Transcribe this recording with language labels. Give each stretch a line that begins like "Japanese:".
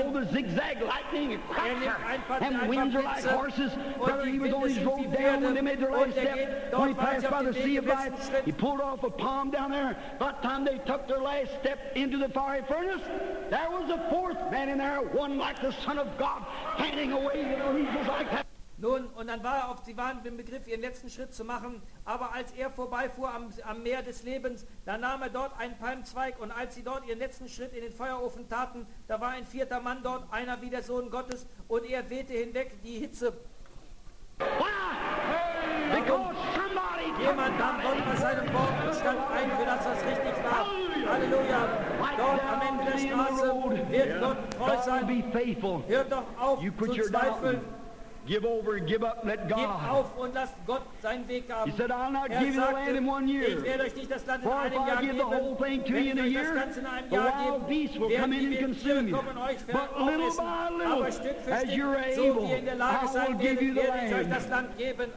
German: Er nimmt ein paar Blitze und die Winde sind wie Pferde und er geht dort weiter auf den Weg gewissen Schritt.
English: He pulled off a palm down there. About time they took their last step into the fiery furnace. There was a fourth man in there, one like the Son of God, panting away.
German: Nun, und dann war er auf, sie waren im Begriff, ihren letzten Schritt zu machen, aber als er vorbeifuhr am Meer des Lebens, da nahm er dort einen Palmzweig, und als sie dort ihren letzten Schritt in den Feuerofen taten, da war ein vierter Mann dort, einer wie der Sohn Gottes, und er wehte hinweg die Hitze. Warum? Jemand nahm Gott bei seinem Wort und stand ein, für das was richtig war. Halleluja. Dort am Ende der Straße wird Gott treu sein. Hört doch auf zu zweifeln.
English: Give over, give up, let God.
German: Gib auf und lass Gott seinen Weg haben.
English: He said, I'll not give you the land in 1 year.
German: Ich werde euch nicht das Land in einem Jahr geben.
English: For if I give the whole thing to you in a year, the wild beast will come in and consume you. But little by little, as you're able,
German: so wie ihr in der Lage sein werdet, werde ich euch das Land geben.